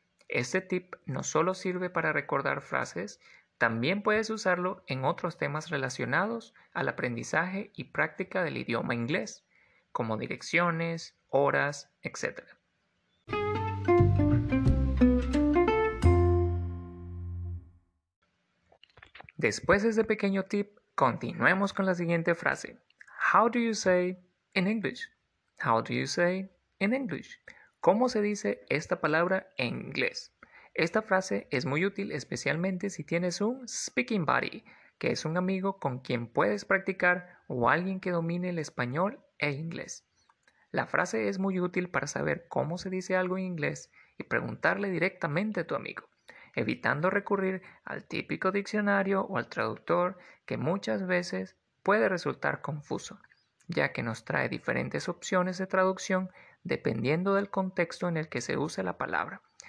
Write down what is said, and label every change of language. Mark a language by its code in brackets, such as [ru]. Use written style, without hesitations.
[es] Este tip no solo sirve para recordar frases, también puedes usarlo en otros temas relacionados al aprendizaje y práctica del idioma inglés, como direcciones, horas, etc. Después de este pequeño tip, continuemos con la siguiente frase. [en] How do you say in English? How do you say in English? [es] ¿Cómo se dice esta palabra en inglés? Esta frase es muy útil especialmente si tienes un [en] speaking buddy, [es] que es un amigo con quien puedes practicar o alguien que domine el español e inglés. La frase es muy útil para saber cómo se dice algo en inglés y preguntarle directamente a tu amigo, evitando recurrir al típico diccionario o al traductor que muchas veces puede resultar confuso, ya que nos trae diferentes opciones de traducción dependiendo del contexto en el que se use la palabra.